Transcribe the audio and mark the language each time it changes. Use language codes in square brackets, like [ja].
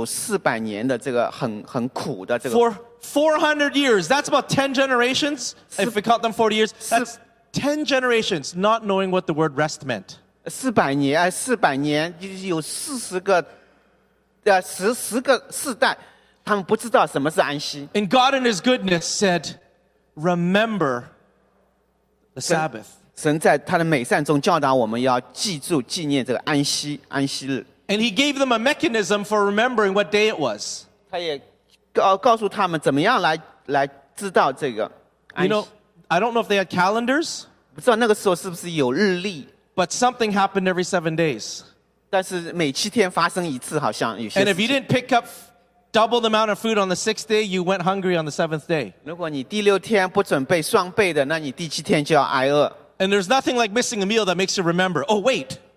[zh] 即使在犹太人还不明白这个安息是什么意思，他们实际上已经有400年的这个很苦的这个。 [en] 400 years, that's about 10 generations. If we count them 40 years, that's 10 generations not knowing what the word rest meant. [zh] 400年，有40个世代，他们不知道什么是安息。 [en] And God in his goodness said, remember the Sabbath. [zh] 神在他的美善中教导我们要记住纪念这个安息日。 [en] And he gave them a mechanism for remembering what day it was. [zh] 他也告诉他们怎么样来知道这个。 [en] You know, I don't know if they had calendars. [zh] 不知道那个时候是不是有日历。 [en] But something happened every 7 days. [zh] 但是每七天发生一次好像有些事情。 [en] And if you didn't pick up double the amount of food on the 6th day, you went hungry on the 7th day. [zh] 如果你第六天不准备双倍的，那你第七天就要挨饿。 [en] And there's nothing like missing a meal that makes you remember, oh wait.